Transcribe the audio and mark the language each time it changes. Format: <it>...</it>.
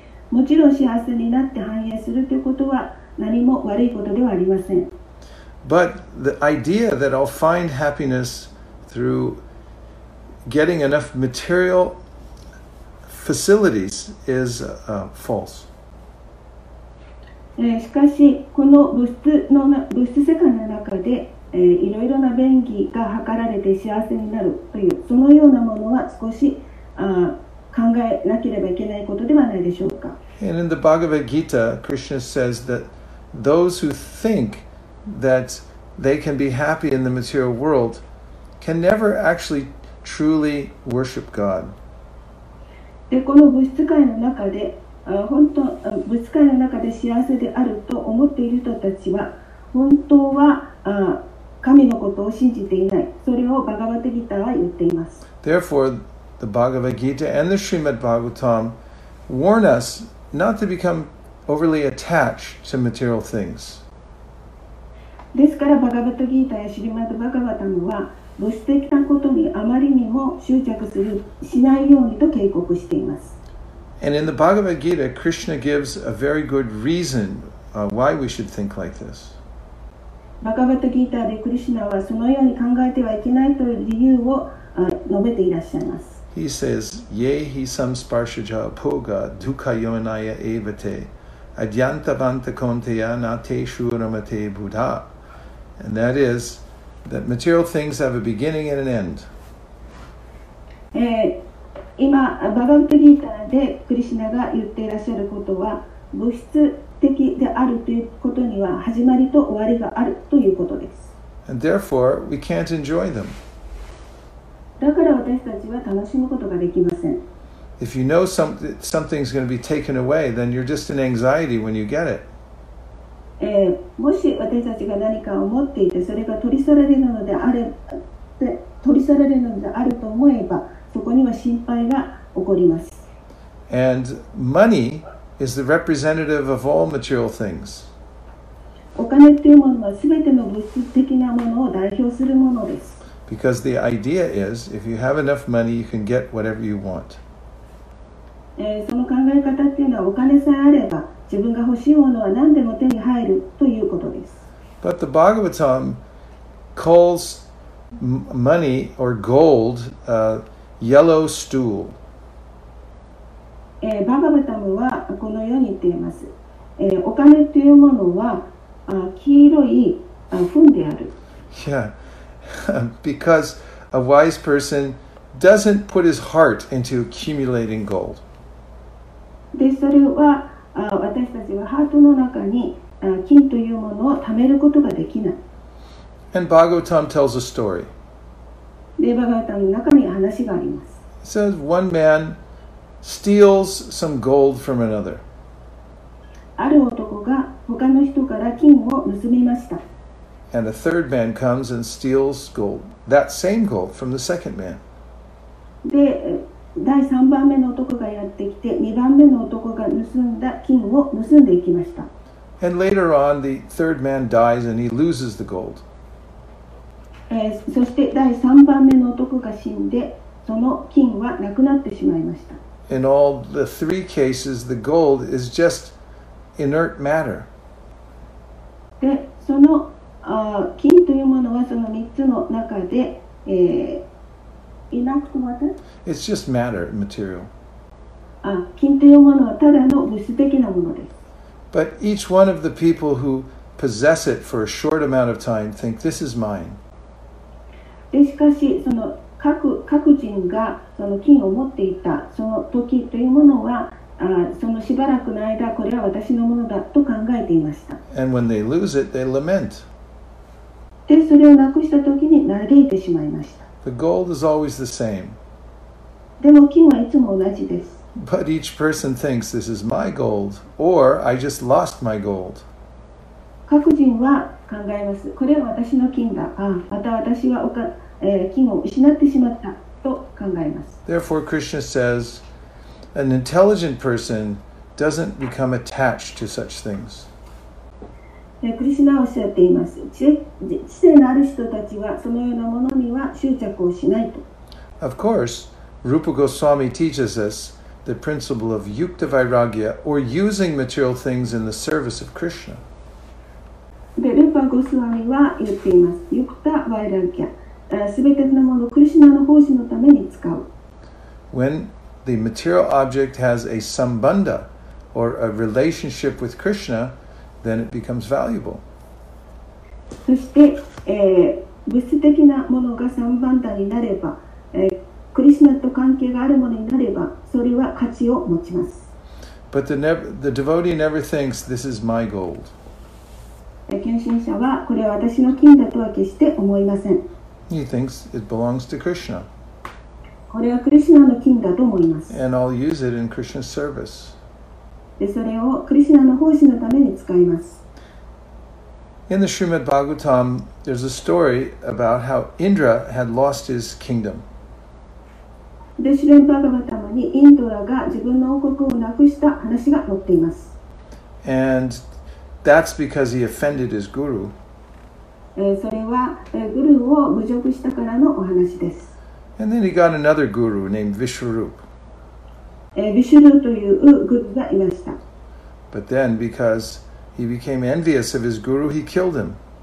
<en>But the idea that I'll find happiness through getting enough material facilities is false.</en> <ja>しかしこの物質世界の中でいろいろな便宜が図られて幸せになるというそのようなものは少し考えなければいけないことではないでしょうか。</ja> <en>And in the Bhagavad Gita, Krishna says that those who think that they can be happy in the material world can never actually truly worship God.</en> <ja>でこの物質界の中で本当物界の中で幸せであると思っている人たちは本当は神のことを信じていない。それをバガヴァッド・ギーターは言っています。</ja> <en>Therefore, the Bhagavad Gita and the Srimad Bhagavatam warn us not to become overly attached to material things.</en> <ja>ですからバガヴァッド・ギーターやシュリマド・バガヴァタムは物質的なことにあまりにも執着するしないようにと警告しています。</ja> <en>And in the Bhagavad Gita, Krishna gives a very good reason why we should think like this.</en> <ja>Bhagavad Gita でクリシュナはそのように考えてはいけないという理由を述べていらっしゃいます。</ja> <sa>He says, Yehi samsparshaja bhoga dukha yonaya evate adhyanta vanta konteya na te shuramate buddha.</sa> <en>And that is, that material things have a beginning and an end.</en> <ja>今バガヴァッド・ギーターでクリシュナが言っていらっしゃることは物質的であるということには始まりと終わりがあるということです。</ja> <en>And therefore, we can't enjoy them.</en> <ja>だから私たちは楽しむことができません。</ja> <en>If you know something's going to be taken away, then you're just in anxiety when you get it.</en> <ja>もし私たちが何かを持っていてそれが取り去られるのであると思えばそこには心配が起こります。</ja> <en>And money is the representative of all material things.</en> <ja>お金っていうものはすべての物質的なものを代表するものです。</ja> <en>Because the idea is, if you have enough money, you can get whatever you want.</en> <ja>その考え方っていうのは、お金さえあれば、自分が欲しいものは何でも手に入るということです。</ja> <en>But the Bhagavatam calls money or gold a yellow stool.</en> <ja>バガバタムはこのように言っています。お金というものは黄色い糞である。</ja> <en>Yeah, because a wise person doesn't put his heart into accumulating gold.</en> <ja>で、それは私たちはハートの中に金というものを貯めることができない。</ja> <en>And Bhagavatam tells a story.</en> <ja>で、バガバタムの中に話があります。</ja> <en>It says one man steals some gold from another.</en> <ja>ある男が他の人から金を盗みました。</ja> <en>And a third man comes and steals gold, that same gold from the second man.</en> <ja>で、第三番目の男がやってきて、二番目の男が盗んだ金を盗んでいきました。</ja> <en>And later on, the third man dies and he loses the gold.</en> <ja>そして第三番目の男が死んで、その金はなくなってしまいました。</ja> <en>In all the three cases, the gold is just inert matter.</en> <ja>で、その金というものはその3つの中で、</ja> <en>inert matter? It's just matter, material.</en> <ja>金というものはただの物質的なものです。</ja> <en>But each one of the people who possess it for a short amount of time think, this is mine.</en> <ja>で、しかし、その各人がその金を持っていたその時というものはそのしばらくの間これは私のものだと考えていました。</ja> <en>And when they lose it, they lament.</en> <ja>で、それをなくした時に嘆いてしまいました。</ja> <en>The gold is always the same.</en> <ja>でも金はいつも同じです。</ja> <en>But each person thinks this is my gold, or I just lost my gold.</en> <ja>各人は考えます。これは私の金だ。また私はお金。金を失ってしまったと考えます。</ja> <en>Therefore, Krishna says, an intelligent person doesn't become attached to such things.</en> <ja>クリシナはおっしゃっています。知性のある人たちはそのようなものには執着をしないと。</ja> <en>Of course, Rupa Goswami teaches us the principle of yukta vairagya, or using material things in the service of Krishna.</en> <ja>で、ルパゴスワミは言っています。 yukta vairagya。全てのものをクリシナの奉仕のために使う。</ja> <en>When the material object has a sambandha or a relationship with Krishna, then it becomes valuable.</en> <ja>そして、物質的なものがサンバンダになれば、クリシナと関係があるものになれば、それは価値を持ちます。</ja> <en>But the devotee never thinks this is my gold.</en> <ja>献身者はこれは私の金だとは決して思いません。</ja> <en>He thinks it belongs to Krishna.</en> <ja>これはクリシナの金だと思います。</ja> <en>And I'll use it in Krishna's service.</en> <ja>で、それをクリシナの奉仕のために使います。</ja> <en>In the Srimad Bhagavatam, there's a story about how Indra had lost his kingdom.</en> <ja>で、シュリマッド・バーガヴァタムにインドラが自分の王国をなくした話が載っています。</ja> <en>And that's because he offended his guru.</en> <ja>それはグルを侮辱したからのお話です。</ja> <en>And then he got another guru named Vishwarup.</en> <ja>Vishwarup というグルがいました。</ja> <en>But then, because he became envious of his guru, he killed him.</en>